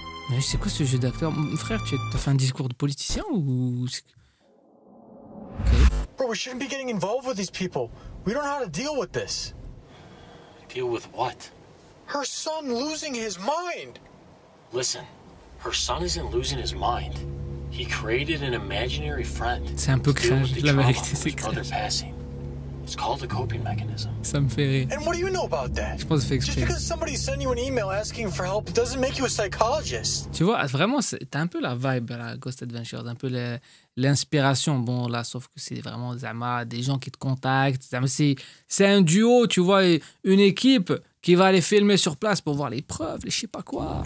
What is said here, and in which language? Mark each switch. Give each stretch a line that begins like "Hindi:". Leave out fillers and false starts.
French: Mais c'est quoi ce jeu d'acteur? Frère, tu as fait un discours de politicien ou...
English: Okay. Bro, we shouldn't be getting involved with these people. We don't know how to deal with this. Deal with what? Her son losing his mind. Listen, her son isn't losing his mind. He created an imaginary friend.
French: C'est un peu cringe, la vérité, c'est
English: cringe. It's called a coping mechanism.
French: Ça me fait rire.
English: And what do you know about that?
French: Je pense que c'est
English: exprès. Just because somebody sent you an email asking for help doesn't make you a psychologist.
French: Tu vois, vraiment, c'est, t'as un peu la vibe, là, Ghost Adventures, un peu le, l'inspiration. Bon, là, sauf que c'est vraiment Zama, des gens qui te contactent. Zama, c'est un duo, tu vois, une équipe qui va aller filmer sur place pour voir les preuves, les je sais pas quoi.